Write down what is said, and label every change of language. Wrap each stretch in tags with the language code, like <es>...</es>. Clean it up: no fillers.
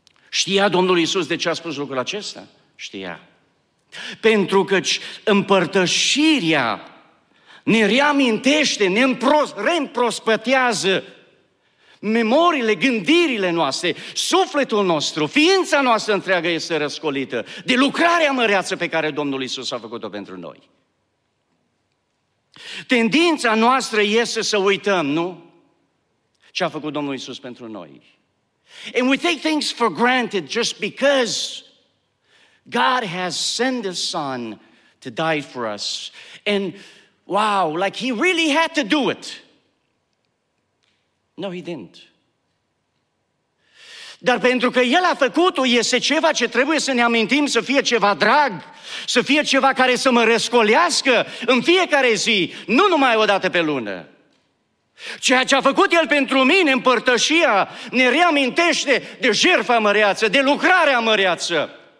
<ro>Știa Domnul Iisus de ce a spus lucrul acesta? Știa. Pentru că împărtășirea ne reamintește, ne reîmprospătează memoriile, gândirile noastre, sufletul nostru, ființa noastră întreagă este răscolită de lucrarea măreață pe care Domnul Iisus a făcut-o pentru noi. Tendința noastră este să uităm, nu? Ce a făcut Domnul Iisus pentru noi.</ro> <en>And we take things for granted just because God has sent His Son to die for us. And wow, like He really had to do it. No, He didn't.</en> <ro>Dar pentru că El a făcut-o, este ceva ce trebuie să ne amintim, să fie ceva drag, să fie ceva care să mă răscolească în fiecare zi, nu numai o dată pe lună. Ceea ce a făcut El pentru mine, împărtășia, ne reamintește de jertfa măreață, de lucrarea măreață.</ro>